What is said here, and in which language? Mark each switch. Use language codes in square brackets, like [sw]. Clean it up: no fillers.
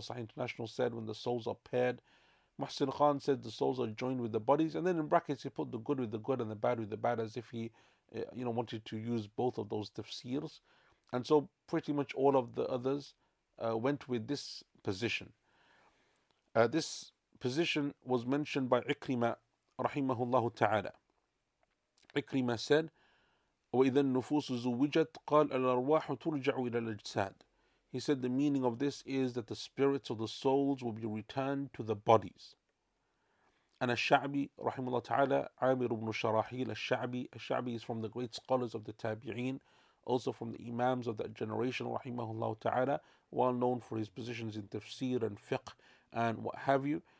[en] Sahih International said, when the souls are paired. Mahsin Khan said the souls are joined with the bodies, and then in brackets he put the good with the good and the bad with the bad, as if he wanted to use both of those tafsirs. And so pretty much all of the others went with this position. This position was mentioned by Ikrimah rahimahullah ta'ala. Ikrimah said, [ar] وَإِذَا النُّفُوسُ زُوِّجَتْ قَالَ الْأَرْوَاحُ تُرْجَعُ إِلَى الْأَجْسَادِ. [en] He said the meaning of this is that the spirits of the souls will be returned to the bodies. And Al-Sha'bi, rahimahullah ta'ala, Amir ibn Sharahil Al-Sha'bi is from the great scholars of the Tabi'een, also from the Imams of that generation, rahimahullah ta'ala, well known for his positions in tafsir and fiqh and what have you.